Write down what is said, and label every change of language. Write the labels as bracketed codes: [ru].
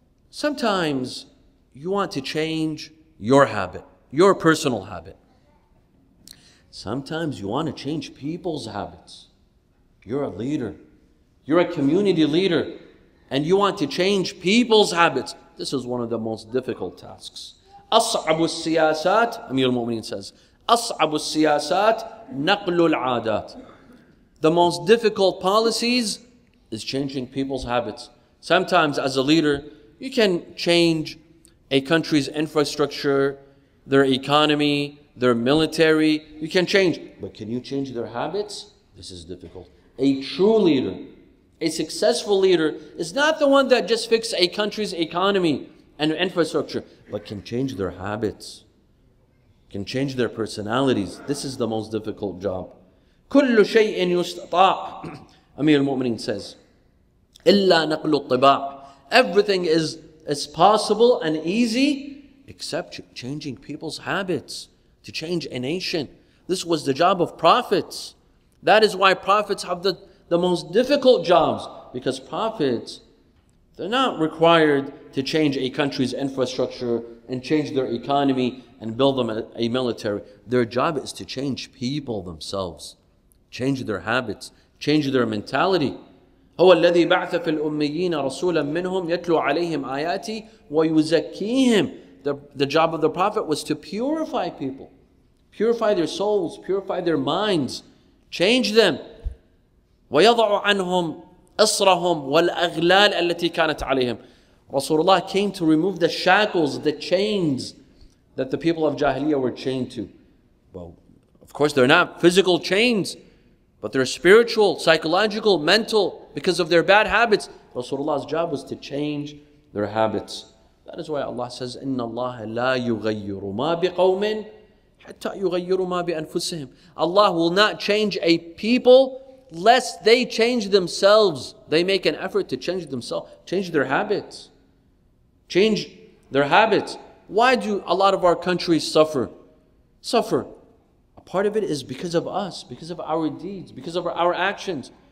[en] Sometimes you want to change your habit, your personal habit. Sometimes you want to change people's habits. You're a leader. You're a community leader. And you want to change people's habits. This is one of the most difficult tasks. [ar] أَصْعَبُ السِّيَاسَاتِ, [en] Amir al-Mu'mineen says, [ar] أَصْعَبُ السِّيَاسَاتِ نَقْلُ الْعَادَاتِ. [en] The most difficult policies is changing people's habits. Sometimes as a leader, you can change a country's infrastructure, their economy, their military, you can change. But can you change their habits? This is difficult. A true leader, a successful leader, is not the one that just fixes a country's economy and infrastructure, but can change their habits, can change their personalities. This is the most difficult job. [ar] كل شيء يستطاع, [en] Amir al-Mu'mineen says, [ar] إلا نقل الطباع. [en] Everything is possible and easy, except changing people's habits, to change a nation. This was the job of prophets. That is why prophets have the most difficult jobs, because prophets, they're not required to change a country's infrastructure and change their economy and build them a military. Their job is to change people themselves, change their habits, change their mentality. [ar] هو الذي بعث في الأميين رسولا منهم يتلو عليهم آياتي ويزكيهم. [en] The job of the prophet was to purify people, purify their souls, purify their minds, change them. [ar] ويضع عنهم أسرهم والأغلال التي كانت عليهم. [en] Rasulullah came to remove the shackles, the chains that the people of Jahiliyyah were chained to. Well, of course, they're not physical chains, but they're spiritual, psychological, mental, because of their bad habits. Rasulullah's job was to change their habits. That is why Allah says, [ar] إِنَّ اللَّهَ لَا يُغَيِّرُ مَا بِقَوْمٍ حَتَّى يُغَيِّرُ مَا بِأَنفُسِهِمْ. [en] Allah will not change a people lest they change themselves. They make an effort to change themselves, change their habits. Change their habits. Why do a lot of our countries suffer? A part of it is because of us, because of our deeds, because of our actions.